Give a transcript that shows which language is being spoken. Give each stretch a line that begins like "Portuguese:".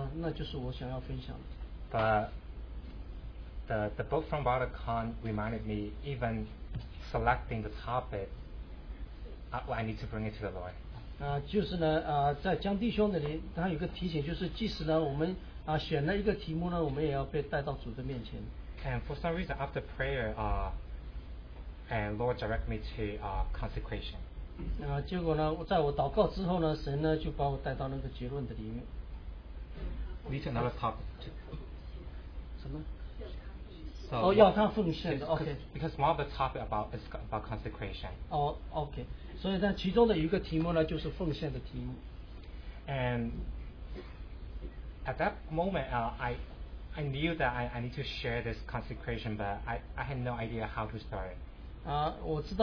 Chinese: 然后呢，就在这里面画下了那个宝贝呢，那就是我想要分享的。
English: But the book from Brother Khan reminded me, even selecting the topic, I need to bring it to the Lord.
Chinese: 就是呢，在江弟兄那里，他有个提醒，就是即使呢，我们 选了一个题目呢，我们也要被带到主的面前。
English: And for some reason, after prayer, and Lord direct me to consecration.
Chinese: 结果呢，在我祷告之后呢，神呢就把我带到那个结论的里面。
English: Lead to another topic.
Chinese: 什么？要他奉献的。
English: Okay. Because one of the topic is about consecration. Okay.
Chinese: 所以呢，其中的一个题目呢，就是奉献的题目。
English: And at that moment, I knew that I need to share this consecration, but I had no idea how to start.